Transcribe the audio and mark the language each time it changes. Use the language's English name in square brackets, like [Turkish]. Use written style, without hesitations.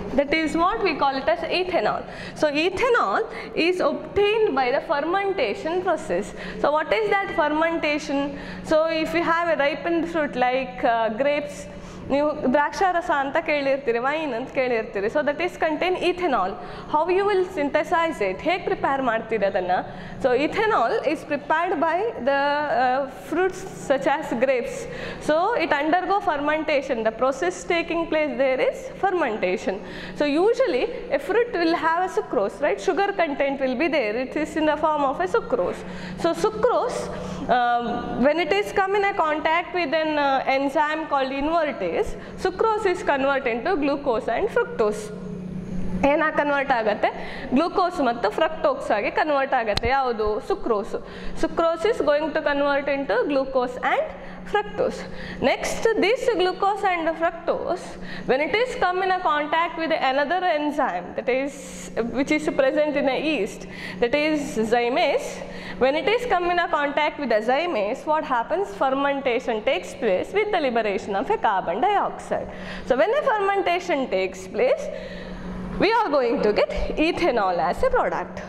[English] That is what we call it as ethanol. So ethanol is obtained by the fermentation process. So what is that fermentation? So if you have a ripened fruit like grapes, [Kannada] ನೀವು ದ್ರಾಕ್ಷಾರಸ ಅಂತ ಕೇಳಿರ್ತೀರಿ, wine ಅಂತ ಕೇಳಿರ್ತೀರಿ. [English] So that is contain ethanol. How you will synthesize it, [Kannada] ಹೇಗೆ prepare ಮಾಡ್ತೀರಿ ಅದನ್ನು? [English] So ethanol is prepared by the fruits such as grapes. So it undergo fermentation, the process taking place there is fermentation. So usually a fruit will have a sucrose, right? Sugar content will be there, it is in the form of a sucrose. So sucrose when it is come in a contact with an enzyme called invertase, sucrose is convert in to glucose and fructose. [Kannada] ಏನ convert ಆಗುತ್ತೆ? Glucose ಮತ್ತು ಫ್ರಕ್ಟೋಕ್ಸ್ ಆಗಿ convert ಆಗುತ್ತೆ. ಯಾವುದು? Sucrose. [English] Sucrose is going to convert in to glucose and fructose. Next, this glucose and fructose when it is come in a contact with another enzyme, that is which is present in a yeast, that is zymase. When it is come in a contact with a zymase, what happens? Fermentation takes place with the liberation of a carbon dioxide. So when a fermentation takes place, we are going to get ethanol as a product.